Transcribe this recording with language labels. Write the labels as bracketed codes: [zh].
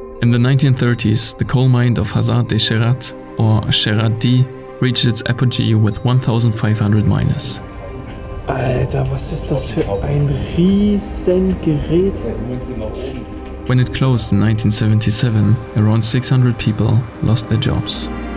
[en] In the 1930s, the coal mine of Hazard de Chérat, or Chérat D, reached its apogee with 1,500 miners. [de] Alter, was ist das für ein riesen Gerät? [en] When it closed in 1977, around 600 people lost their jobs.